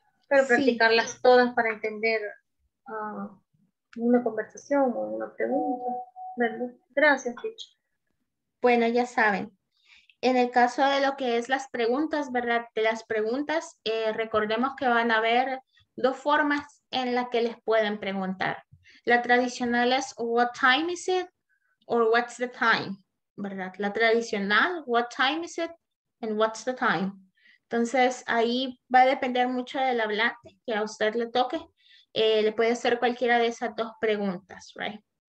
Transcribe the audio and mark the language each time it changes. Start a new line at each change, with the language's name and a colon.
Spanish: Pero sí, practicarlas todas para entender una conversación o una pregunta, ¿verdad? Gracias, teacher. Bueno, ya saben. En el caso de lo que es las preguntas, ¿verdad? De las preguntas, recordemos que van a haber dos formas en las que les pueden preguntar. La tradicional es
English: what time is it or what's the time,
Spanish: ¿verdad? La tradicional,
English: what time is it and what's the time.
Spanish: Entonces, ahí va a depender mucho del hablante que a usted le toque. Le puede hacer cualquiera de esas dos preguntas, right?